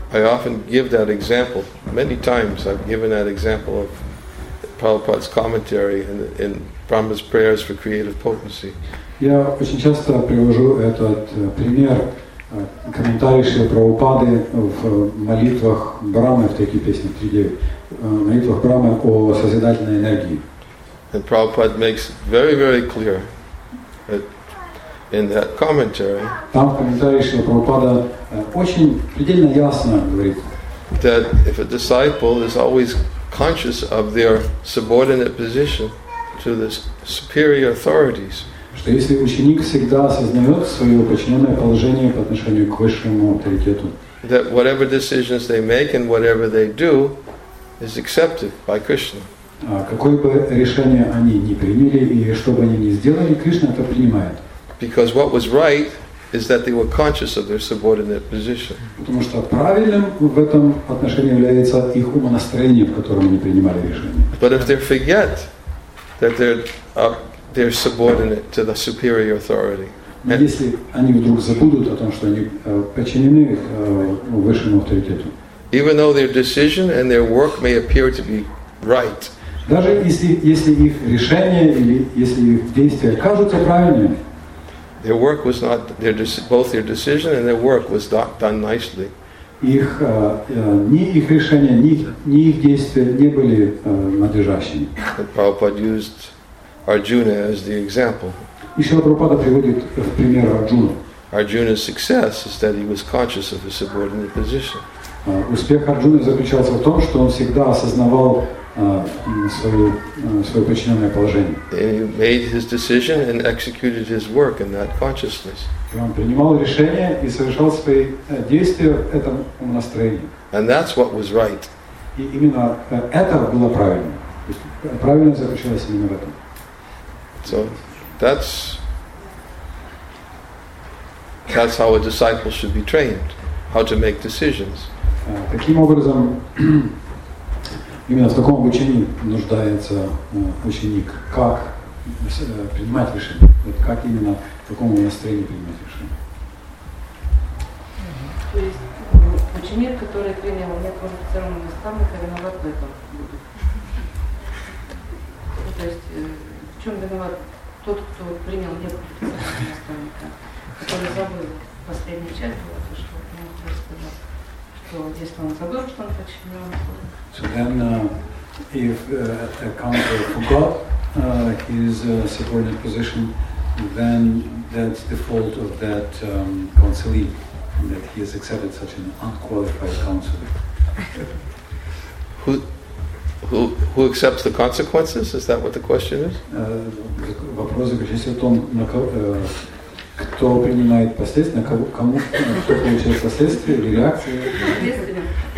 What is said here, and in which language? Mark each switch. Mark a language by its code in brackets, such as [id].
[en] I often give that example. Many times I've given that example of Prabhupada's commentary in Brahma's Prayers for Creative Potency. [ru] Я очень часто привожу этот пример комментарий Шри Прабхупады в молитвах Брамы в такие песни 3.9. Молитвах Брамы о созидательной энергии. [en] And Prabhupada makes very, very clear that in that commentary, [ru] там в комментарии Шри Прабхупада очень предельно ясно говорит. [en] that if a disciple is always conscious of their subordinate position to the superior authorities. [ru] Что если ученик всегда осознает свое подчиненное положение по отношению к высшему авторитету. [en] That whatever decisions they make and whatever they do is accepted by Krishna. [ru] Какое бы решение они ни приняли и что бы они ни сделали, Кришна это принимает. [en] Because what was right is that they were conscious of their subordinate position. [ru] Потому что правильным в этом отношении является их умонастроение, в котором они принимали решение. [en] But if they forget that they're subordinate to the superior authority. [ru] Но если они вдруг забудут о том, что они подчинены высшему авторитету. [en] Even though their decision and their work may appear to be right. [ru] Даже если их решение или если их действия кажутся правильными. [en] Their work was not their both their decision and their work was done nicely. [ru] Их ни их решение, ни их действия не были надлежащими. [en] Prabhupada used Arjuna as the example. [ru] И Шрила Прабхупада приводит в пример Арджуну. [en] Arjuna's success is that he was conscious of his subordinate position. [ru] Успех Арджуны заключался в том, что он всегда осознавал свое подчиненное положение. [en] And he made his decision and executed his work in that consciousness. [ru] И он принимал решение и совершал свои действия в этом настроении. [en] And that's what was right. [ru] И именно это было правильно. Правильно заключалось именно в этом. [en] So that's how a disciple should be trained, how to make decisions. [ru] Таким образом, именно в таком обучении нуждается ученик, как принимать решение, как именно в таком настроении принимать решение. То есть ученик, который принял неквалифицированного наставника, виноват в этом. То есть в чем виноват тот, кто принял неквалифицированного наставника, который забыл последнюю часть, была то, что он рассказал, что если он забыл, что он подчинен. [en] So then, if a counselor forgot his subordinate position, then that's the fault of that counselee, that he has accepted such an unqualified counselor. Who accepts the consequences? Is that what the question is? [ru] Вопрос заключается в том, кто принимает последствия, кому кто получает последствия или реакции.